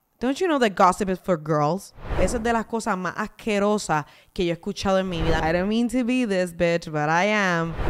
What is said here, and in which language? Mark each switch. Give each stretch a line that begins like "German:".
English: Don't you know that gossip is for girls?
Spanish: Esa es de las cosas más asquerosas que yo he escuchado en mi vida.
English: I don't mean to be this bitch, but I am.